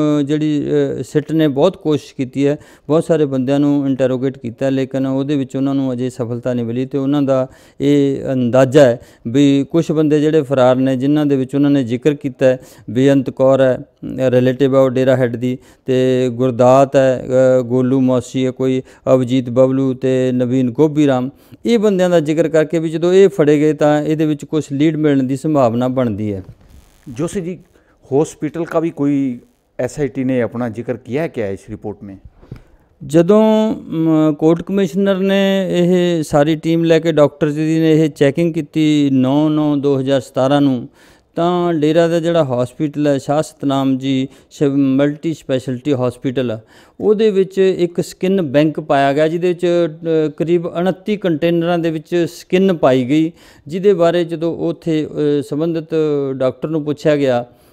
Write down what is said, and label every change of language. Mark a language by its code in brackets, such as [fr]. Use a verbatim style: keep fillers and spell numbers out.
[pa] ਜਿਹੜੀ ਸਿੱਟ ਨੇ ਬਹੁਤ ਕੋਸ਼ਿਸ਼ ਕੀਤੀ ਹੈ, ਬਹੁਤ ਸਾਰੇ ਬੰਦਿਆਂ ਨੂੰ ਇੰਟਰੋਗੇਟ ਕੀਤਾ, ਲੇਕਿਨ ਉਹਦੇ ਵਿੱਚ ਉਹਨਾਂ ਨੂੰ ਅਜੇ ਸਫਲਤਾ ਨਹੀਂ ਮਿਲੀ। ਅਤੇ ਉਹਨਾਂ ਦਾ ਇਹ ਅੰਦਾਜ਼ਾ ਹੈ ਵੀ ਕੁਛ ਬੰਦੇ ਜਿਹੜੇ ਫਰਾਰ ਨੇ, ਜਿਨ੍ਹਾਂ ਦੇ ਵਿੱਚ ਉਹਨਾਂ ਨੇ ਜ਼ਿਕਰ ਕੀਤਾ ਹੈ ਬੇਅੰਤ ਕੌਰ ਹੈ, ਰਿਲੇਟਿਵ ਹੈ ਉਹ ਡੇਰਾ ਹੈੱਡ ਦੀ, ਅਤੇ ਗੁਰਦਾਤ ਹੈ, ਗੋਲੂ ਮੌਸੀ ਹੈ, ਕੋਈ ਅਵਜੀਤ ਬਬਲੂ ਅਤੇ ਨਵੀਨ ਗੋਭੀ ਰਾਮ। ਇਹ ਬੰਦਿਆਂ ਦਾ ਜ਼ਿਕਰ ਕਰਕੇ ਵੀ ਜਦੋਂ ਇਹ ਫੜੇ ਗਏ ਤਾਂ ਇਹਦੇ ਵਿੱਚ ਕੁਛ ਲੀਡ ਮਿਲਣ ਦੀ ਸੰਭਾਵਨਾ ਬਣਦੀ है। [hi] जोशी जी, हॉस्पिटल का भी कोई एसआईटी ने अपना जिक्र किया है क्या इस रिपोर्ट में? [pa] ਜਦੋਂ ਕੋਰਟ ਕਮਿਸ਼ਨਰ ਨੇ ਇਹ ਸਾਰੀ ਟੀਮ ਲੈ ਕੇ ਡਾਕਟਰ ਜੀ ਨੇ ਇਹ ਚੈਕਿੰਗ ਕੀਤੀ ਨੌਂ ਨੌਂ ਦੋ ਹਜ਼ਾਰ ਸਤਾਰਾਂ ਨੂੰ, ਤਾਂ ਡੇਰਾ ਦਾ ਜਿਹੜਾ ਹੌਸਪੀਟਲ ਹੈ ਸ਼ਾਹ ਸਤਨਾਮ ਜੀ ਸ਼ਿਵ ਮਲਟੀ ਸਪੈਸ਼ਲਿਟੀ ਹੌਸਪੀਟਲ, ਉਹਦੇ ਵਿੱਚ ਇੱਕ ਸਕਿਨ ਬੈਂਕ ਪਾਇਆ ਗਿਆ, ਜਿਹਦੇ ਵਿੱਚ ਕਰੀਬ ਉਣੱਤੀ ਕੰਟੇਨਰਾਂ ਦੇ ਵਿੱਚ ਸਕਿਨ ਪਾਈ ਗਈ, ਜਿਹਦੇ ਬਾਰੇ ਜਦੋਂ ਉੱਥੇ ਸੰਬੰਧਿਤ ਡਾਕਟਰ ਨੂੰ ਪੁੱਛਿਆ ਗਿਆ,